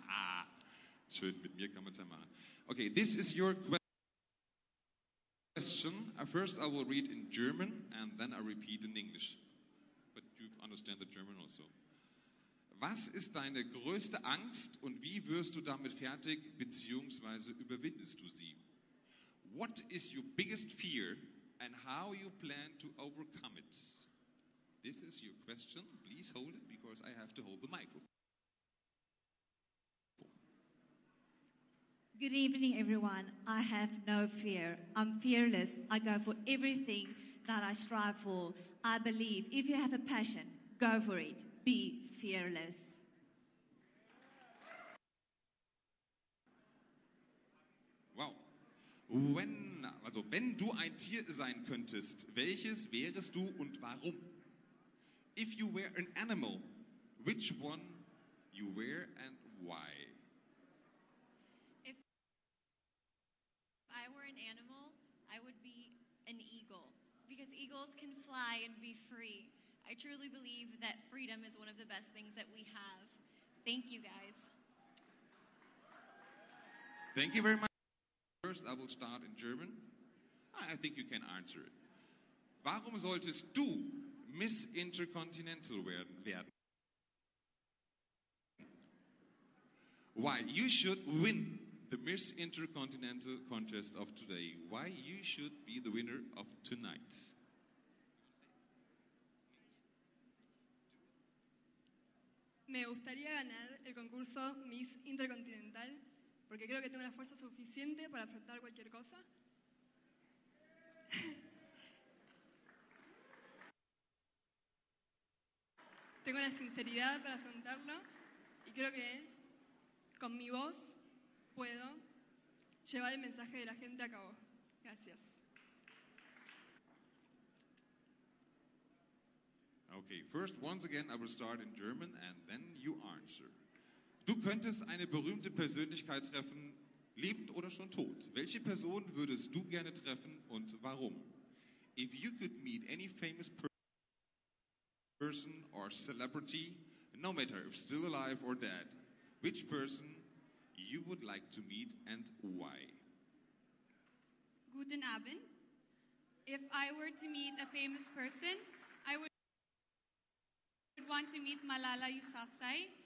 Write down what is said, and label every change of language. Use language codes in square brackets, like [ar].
[de] Ah, schön, mit mir kann man es ja machen. [en] Okay, this is your question. First I will read in German and then I repeat in English. But you understand the German also. [de] Was ist deine größte Angst und wie wirst du damit fertig, beziehungsweise überwindest du sie? [en] What is your biggest fear and how you plan to overcome it? This is your question. Please hold it because I have to hold the microphone. Good evening, everyone. I have no fear. I'm fearless. I go for everything that I strive for. I believe if you have a passion, go for it. Be fearless. Wow. [de] Wenn du ein Tier sein könntest, welches wärest du und warum? [en] If you were an animal, which one you were and why? If I were an animal, I would be an eagle. Because eagles can fly and be free. I truly believe that freedom is one of the best things that we have. Thank you, guys. Thank you very much. First, I will start in German. I think you can answer it. [de] Warum solltest du Miss Intercontinental werden. [en] Why you should win the Miss Intercontinental contest of today? Why you should be the winner of tonight? [es] Me gustaría ganar el concurso Miss Intercontinental porque creo que tengo la fuerza suficiente para afrontar cualquier cosa. Tengo la sinceridad para afrontarlo y creo que con mi voz puedo llevar el mensaje de la gente a cabo. Gracias. [en] Okay, first once again I will start in German and then you answer. [de] Du könntest eine berühmte Persönlichkeit treffen, lebend oder schon tot. Welche Person würdest du gerne treffen und warum? [en] If you could meet any famous person or celebrity, no matter if still alive or dead, which person you would like to meet and why? [de] Guten Abend. [en] If I were to meet a famous person, I would want to meet Malala Yousafzai.